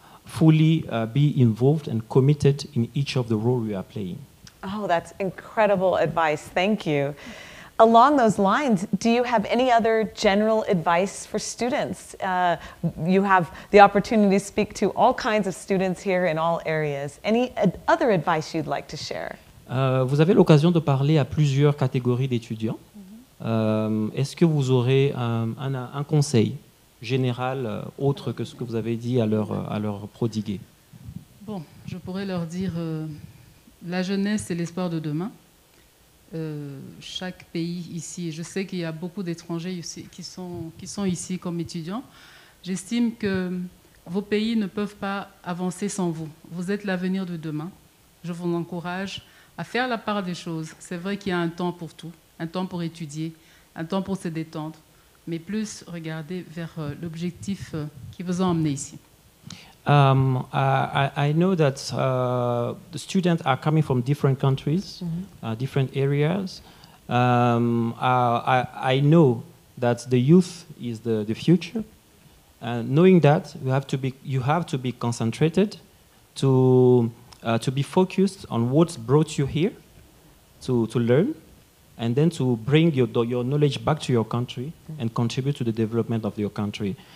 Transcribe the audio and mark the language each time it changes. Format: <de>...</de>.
<en>fully be involved and committed in each of the roles we are playing. Oh, that's incredible advice. Thank you. Along those lines, do you have any other general advice for students? You have the opportunity to speak to all kinds of students here in all areas. Any other advice you'd like to share?</en> <fr>Vous avez l'occasion de parler à plusieurs catégories d'étudiants. Est-ce que vous aurez un conseil général autre que ce que vous avez dit à leur prodiguer? Bon, je pourrais leur dire la jeunesse, c'est l'espoir de demain. Chaque pays ici, je sais qu'il y a beaucoup d'étrangers ici, qui sont ici comme étudiants. J'estime que vos pays ne peuvent pas avancer sans vous. Vous êtes l'avenir de demain. Je vous encourage à faire la part des choses. C'est vrai qu'il y a un temps pour tout, un temps pour étudier, un temps pour se détendre, mais plus regarder vers l'objectif qui vous a emmené ici.</fr> <en>I know that the students are coming from different countries, mm-hmm. Different areas. I know that the youth is the future. Knowing that, you have to be concentrated, to be focused on what brought you here, to learn, and then to bring your knowledge back to your country and contribute to the development of your country.</en>